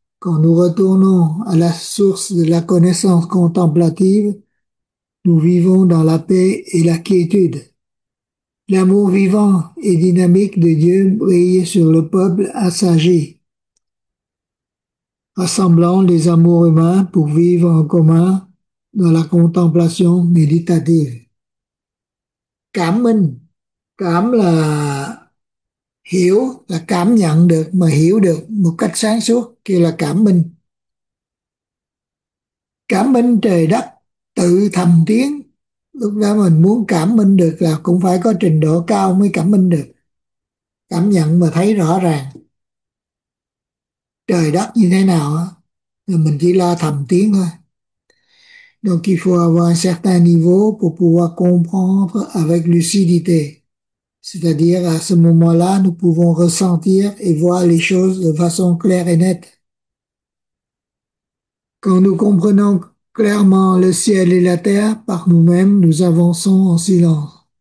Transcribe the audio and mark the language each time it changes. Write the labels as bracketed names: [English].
[French] Quand nous retournons à la source de la connaissance contemplative, nous vivons dans la paix et la quiétude. L'amour vivant et dynamique de Dieu brille sur le peuple assagi, rassemblant les amours humains pour vivre en commun dans la contemplation méditative. [Vietnamese] Cảm minh, cảm là hiểu, là cảm nhận được, mà hiểu được một cách sáng suốt kia là cảm minh. Cảm minh trời đất tự thầm tiếng, lúc đó mình muốn cảm minh được là cũng phải có trình độ cao mới cảm minh được, cảm nhận mà thấy rõ ràng trời đất như thế nào á, mình chỉ lo thầm tiếng thôi. [French] Donc il faut avoir un certain niveau pour pouvoir comprendre avec lucidité. C'est-à-dire, à ce moment-là, nous pouvons ressentir et voir les choses de façon claire et nette. Quand nous comprenons clairement le ciel et la terre, par nous-mêmes, nous avançons en silence.